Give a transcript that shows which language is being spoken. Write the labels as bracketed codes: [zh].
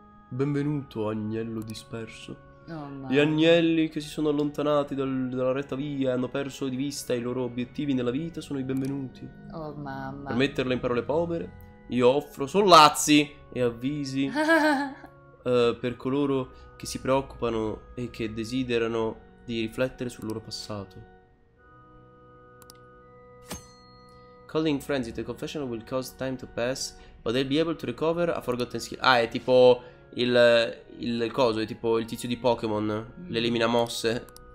[it] Benvenuto, agnello disperso. Gli agnelli che si sono allontanati dalla retta via e hanno perso di vista i loro obiettivi nella vita sono i benvenuti. Oh mamma. Per metterle in parole povere, io offro sollazzi e avvisi per coloro che si preoccupano e che desiderano di riflettere sul loro passato. [en] Calling friends, the confession will cause time to pass, but they'll be able to recover a forgotten skill. [it] Ah, è tipo... Il coso è tipo il tizio di Pokémon. L'elimina mosse.